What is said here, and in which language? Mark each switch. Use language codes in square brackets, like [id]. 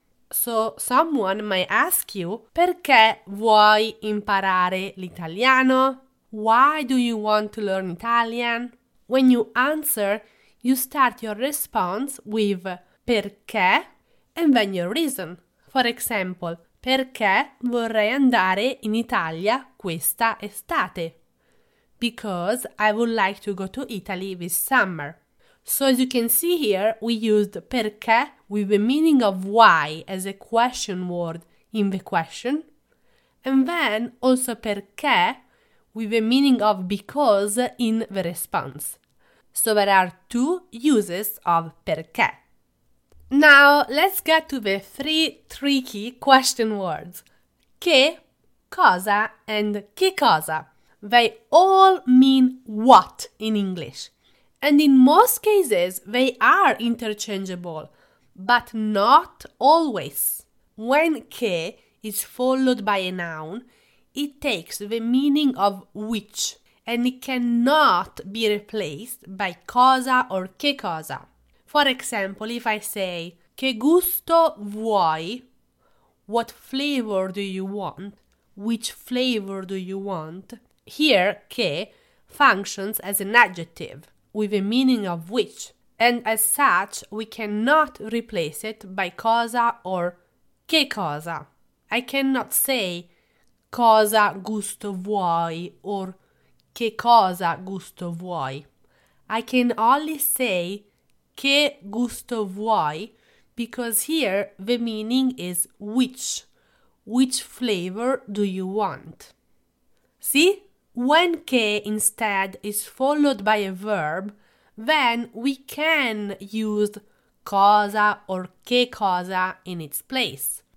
[en] So, someone might ask you, [it] perché vuoi imparare l'italiano? [en] Why do you want to learn Italian? When you answer, you start your response with perché and then your reason. For example, [it] perché vorrei andare in Italia questa estate? [en] Because I would like to go to Italy this summer. So as you can see here, we used perché with the meaning of why as a question word in the question, and then also perché with the meaning of because in the response. So there are 2 uses of perché. Now let's get to the 3 tricky question words. Che, cosa, and che cosa. They all mean what in English. And in most cases, they are interchangeable, but not always. When che is followed by a noun, it takes the meaning of which, and it cannot be replaced by cosa or che cosa. For example, if I say, [it] che gusto vuoi? [en] What flavor do you want? Which flavor do you want? Here, che functions as an adjective with a meaning of which, and as such, we cannot replace it by cosa or che cosa. I cannot say [it] cosa gusto vuoi [en] or [it] che cosa gusto vuoi. [en] I can only say [it] che gusto vuoi [en] because here the meaning is which. Which flavor do you want? See? When che instead is followed by a verb, then we can use cosa or che cosa in its place.